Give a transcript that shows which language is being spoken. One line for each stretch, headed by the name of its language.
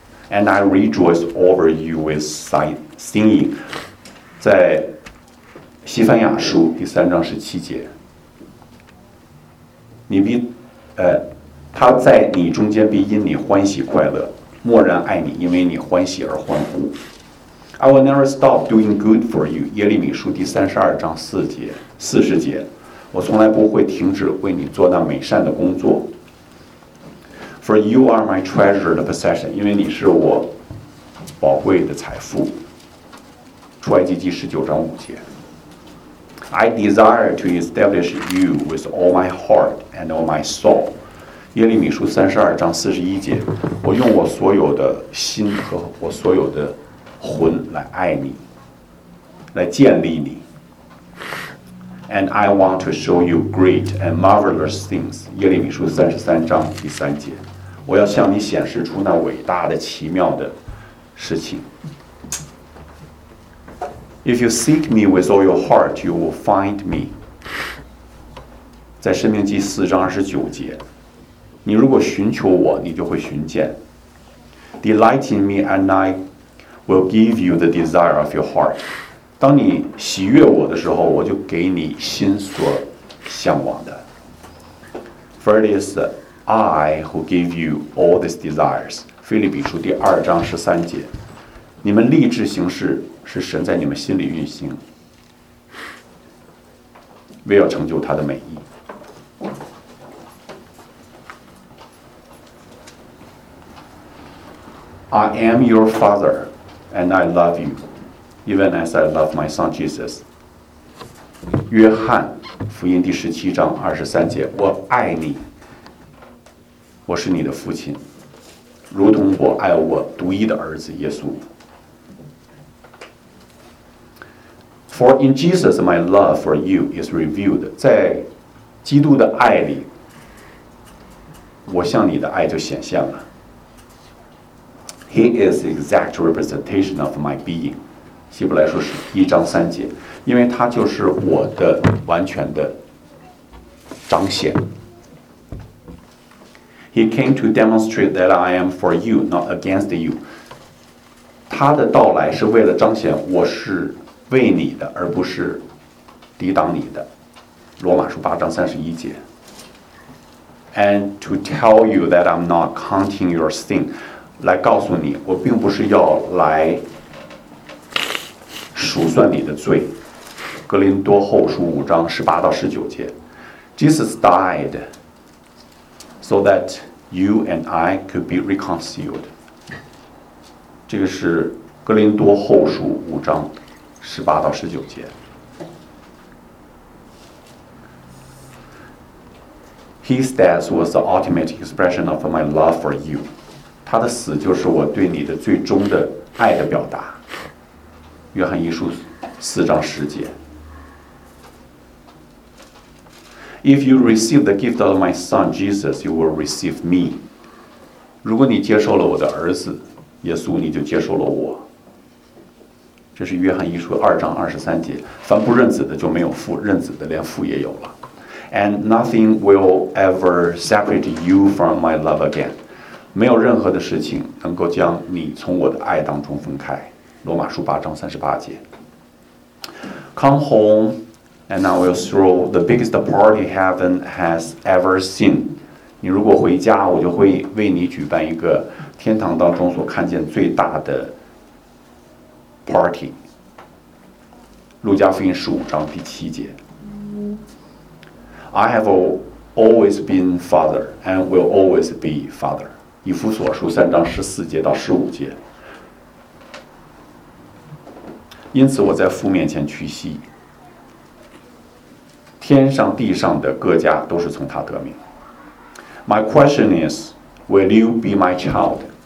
English: And I rejoice over you with singing.
Chinese: 在西番雅书第三章十七节，你必，他在你中间必因你欢喜快乐，默然爱你，因为你欢喜而欢呼。
English: I will never stop doing good for you.
Chinese: 耶利米书第三十二章四节四十节，我从来不会停止为你做那美善的工作。
English: For you are my treasured possession.
Chinese: 因为你是我宝贵的财富。出埃及记十九章五节。
English: I desire to establish you with all my heart and all my soul.
Chinese: 耶利米书三十二章四十一节，我用我所有的心和我所有的魂来爱你，来建立你。
English: And I want to show you great and marvelous things.
Chinese: 耶利米书三十三章第三节，我要向你显示出那伟大的、奇妙的事情。
English: If you seek me with all your heart, you will find me.
Chinese: 在申命记四章二十九节，你如果寻求我，你就会寻见。
English: Delight in me, and I will give you the desire of your heart.
Chinese: 当你喜悦我的时候，我就给你心所向往的。
English: For it is I who give you all these desires.
Chinese: 腓立比书第二章十三节，你们立志行事。是神在你们心里运行，为要成就他的美意。
English: I am your father, and I love you, even as I love my son Jesus.
Chinese: 约翰福音第十七章二十三节，我爱你，我是你的父亲，如同我爱我独一的儿子耶稣。
English: For in Jesus, my love for you is revealed.
Chinese: 在基督的爱里，我向你的爱就显现了。
English: He is the exact representation of my being.
Chinese: 希伯来书是一章三节，因为他就是我的完全的彰显。
English: He came to demonstrate that I am for you, not against you.
Chinese: 他的到来是为了彰显我是为你的，而不是抵挡你的。罗马书八章三十一节。
English: And to tell you that I'm not counting your sin,
Chinese: 来告诉你，我并不是要来数算你的罪。格林多后书五章十八到十九节。
English: Jesus died so that you and I could be reconciled.
Chinese: 这个是格林多后书五章。十八到十九节
English: His death was the ultimate expression of my love for you.
Chinese: 他的死就是我对你的最终的爱的表达。约翰一书四章十节。
English: If you receive the gift of my son Jesus, you will receive me.
Chinese: 如果你接受了我的儿子耶稣，你就接受了我。这是约翰一书二章二十三节，凡不认子的就没有父，认子的连父也有了。
English: And nothing will ever separate you from my love again.
Chinese: 没有任何的事情能够将你从我的爱当中分开。罗马书八章三十八节。
English: Come home, and I will throw the biggest party heaven has ever seen.
Chinese: 你如果回家，我就会为你举办一个天堂当中所看见最大的Party. 路加福音十五章第七节。
English: I have always been father and will always be father.
Chinese: 以弗所书三章十四节到十五节。因此我在父面前屈膝。天上地上的各家都是从他得名。
English: My question is, will you be my child?